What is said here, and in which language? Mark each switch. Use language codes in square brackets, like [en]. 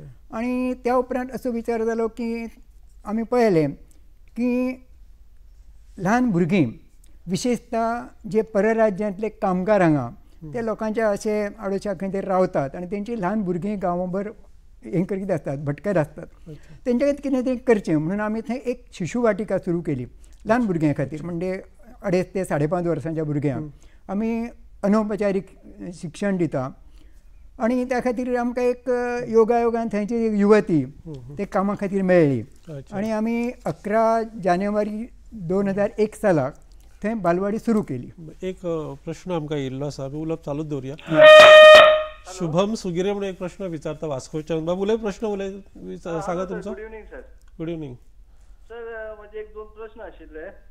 [gom] आणि त्या उपरांत असं विचार झालो की आम्ही पळले की लहान भुरगीं विशेषतः जे परराज्यातले कामगार हंगा ते लोकांच्या असे आडोशा खंय ते रावतात आणि त्यांची लहान भुरगीं गावभर हे करीत असतात, भटकत असतात, त्यांच्या खातीर किती तरी करचे म्हणून आम्ही थंय एक शिशुवाटिका सुरू केली लहान भुरग्यां खातीर, म्हणजे अडेच ते साडेपांच वर्सांच्या भुरग्यांक आम्ही अनौपचारीक शिक्षण दिता. आणि त्या खातीर आमकां एक योगायोगान थंयची एक युवती ते कामा खातीर मेळ्ळी आणि आम्ही 11 जानेवारी 2001 सालाक थंय बालवाडी सुरू केली. एक प्रश्न आमकां येयल्लो आसा, आमी उलोवप चालूच दवरया. शुभम सुगिरे म्हणून एक प्रश्न विचारता वास्कोच्या, बाबू उलय प्रश्न उलय सांगा तुमचा. [en] Good evening sir. Good evening [gom] sir, म्हणजे एक दोन प्रश्न आशिल्ले.